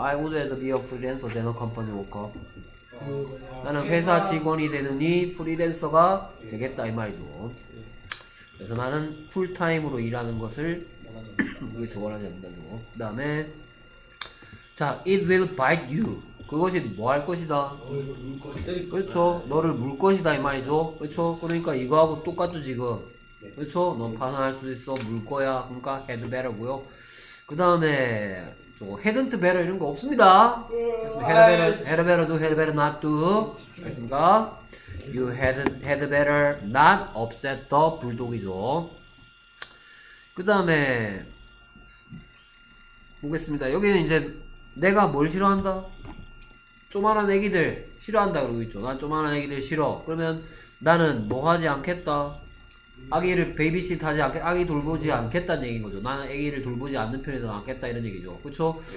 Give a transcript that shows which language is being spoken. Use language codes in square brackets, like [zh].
[en] I would rather be a freelancer than a company worker. [ko] 나는 회사 직원이 되느니 프리랜서가 되겠다 이 말이죠. 그래서 나는 풀타임으로 일하는 것을 원하지 않는다. 그 다음에 자, [en] it will bite you. [ko] 그것이 뭐 할 것이다. 그렇죠. 너를 물 것이다 이 말이죠. 그렇죠. 그러니까 이거하고 똑같죠 지금. 그렇죠. 넌 파산할 수도 있어. 물 거야. 그러니까 head better고요. 그 다음에 저 head and better 이런 거 없습니다. head better, head better do, head better not do. 알겠습니까? [en] You had had better not upset the bulldog이죠. [ko] 그 다음에 보겠습니다. 여기는 이제 내가 뭘 싫어한다? 조만한 애기들 싫어한다 그러고 있죠. 난 조만한 애기들 싫어. 그러면 나는 뭐 하지 않겠다. 아기를 베이비시트 하지 않겠다. 아기 돌보지 않겠다는 얘기인 거죠. 나는 애기를 돌보지 않는 편이다 않겠다 이런 얘기죠. 그렇죠?